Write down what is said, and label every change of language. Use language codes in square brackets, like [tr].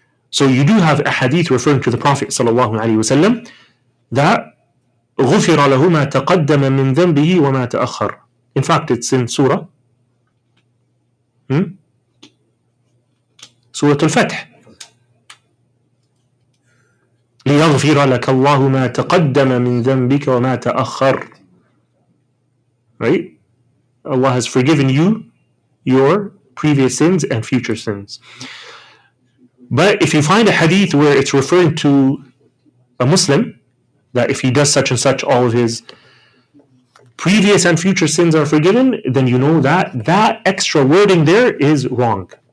[en] So you do have a hadith referring to the Prophet sallallahu alaihi wasallam that [ar] غُفِرَ لَهُ مَا تَقَدَّمَ مِنْ ذَنْبِهِ وَمَا تَأَخَّرْ. [en] In fact, it's in Surah, Surah Al-Fath. [ar] ليغفر لك الله ما تقدم من ذنبك وما تأخر. [en] Right? Allah has forgiven you your previous sins and future sins. But if you find a hadith where it's referring to a Muslim, that if he does such and such, all of his previous and future sins are forgiven, then you know that that extra wording there is wrong.